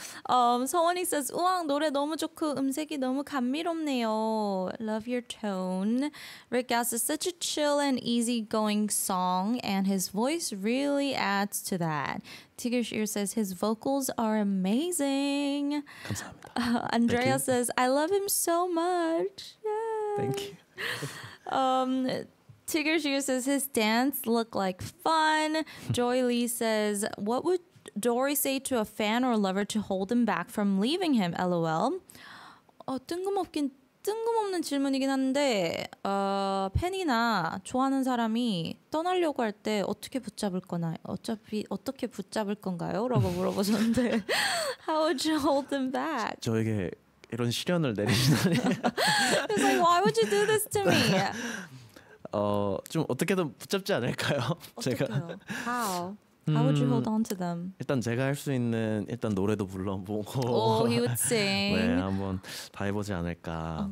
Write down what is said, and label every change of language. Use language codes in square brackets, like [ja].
[ko] 서원이 [en] says, [ko] 우왕, 노래 너무 좋고 음색이 너무 감미롭네요. [en] Love your tone. Rick Gass is such a chill and easygoing song and his voice really adds to that. Tigger Shear says, his vocals are amazing. [ko] 감사합니다. [en] Andrea says, I love him so much. Yay. Thank you. Tigger Shear says, his dance look like fun. Joy Lee says, what would Dory say to a fan or lover to hold him back from leaving him, LOL? [ko] 뜬금없는 질문이긴 한데 팬이나 좋아하는 사람이 떠나려고 할 때 어떻게 붙잡을 거나 어차피 어떻게 붙잡을 건가요? 라고 물어보셨는데 [en] How would you hold them back? [ko] 저에게 이런 시련을 내리시나요? [en] It's like, why would you do this to me? [ko] 좀 어떻게든 붙잡지 않을까요? 제가 [en] How? How would you hold on to them? [ko] 일단 제가 할 수 있는 일단 노래도 불러보고 [en] Oh, he would sing. [ko] 네, 한번 다 해보지 않을까.